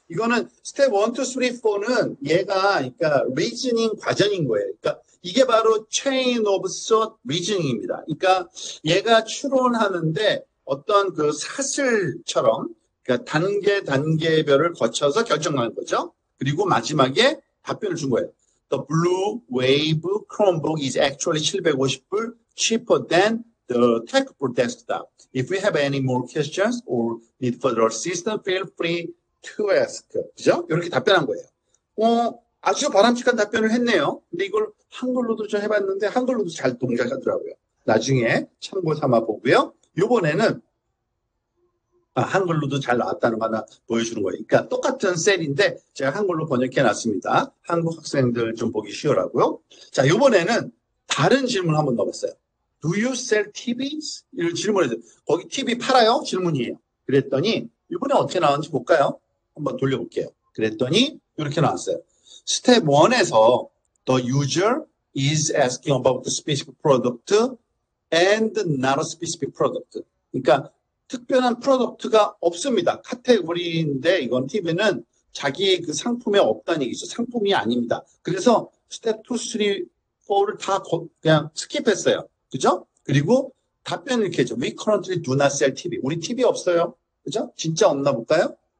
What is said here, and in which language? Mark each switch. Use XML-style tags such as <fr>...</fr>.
<ko>이거는 step 1, 2, 3, 4는 얘가, 그러니까 reasoning 과정인 거예요. 그러니까 이게 바로 chain of thought reasoning입니다. 그러니까 얘가 추론하는데 어떤 그 사슬처럼, 그러니까 단계 단계별을 거쳐서 결정하는 거죠. 그리고 마지막에 답변을 준 거예요.</ko> <en>The blue wave Chromebook is actually 750불 cheaper than the tech for desktop. If we have any more questions or need further assistance, feel free to ask. 그죠?</en> <ko>이렇게 답변한 거예요. 아주 바람직한 답변을 했네요. 근데 이걸 한글로도 좀 해봤는데 한글로도 잘 동작하더라고요. 나중에 참고 삼아 보고요. 요번에는 한글로도 잘 나왔다는 거 하나 보여주는 거예요. 그러니까 똑같은 셀인데 제가 한글로 번역해 놨습니다. 한국 학생들 좀 보기 쉬우라고요. 자, 요번에는 다른 질문 한번 넣어봤어요.</ko> <en>Do you sell TVs?</en> <ko>이런 질문을 거기 TV 팔아요? 질문이에요. 그랬더니 이번에 어떻게 나왔는지 볼까요? 한번 돌려볼게요. 그랬더니 이렇게 나왔어요. 스텝 1에서</ko> <en>the user is asking about the specific product and not a specific product.</en> <ko>그러니까 특별한 프로덕트가 없습니다. 카테고리인데 이건 TV는 자기 그 상품에 없다는 얘기죠. 상품이 아닙니다. 그래서 스텝 2, 3, 4를 다 그냥 스킵했어요. 그죠? 그리고 답변을 이렇게 했죠.</ko> <en>We currently do not sell TV.</en> <ko>우리 TV 없어요. 그죠? 진짜 없나 볼까요?</ko>